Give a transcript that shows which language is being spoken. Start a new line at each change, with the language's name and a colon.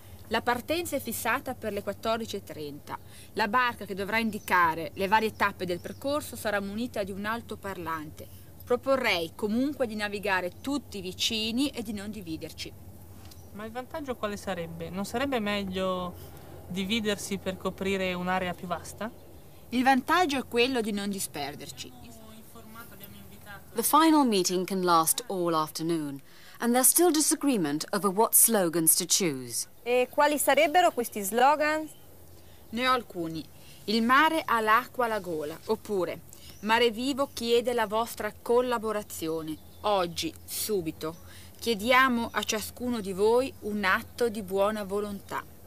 Italian: La partenza è fissata per le 14.30. La barca che dovrà indicare le varie tappe del percorso sarà munita di un altoparlante. Proporrei comunque di navigare tutti vicini e di non dividerci. Ma il vantaggio quale sarebbe? Non sarebbe meglio dividersi per coprire un'area più vasta? Il vantaggio è quello di non disperderci.
English: The final meeting can last all afternoon, and there's still disagreement over what slogans to choose.
Italian: E quali sarebbero questi slogan? Ne ho alcuni. Il mare ha l'acqua alla gola. Oppure, Mare Vivo chiede la vostra collaborazione. Oggi, subito, chiediamo a ciascuno di voi un atto di buona volontà.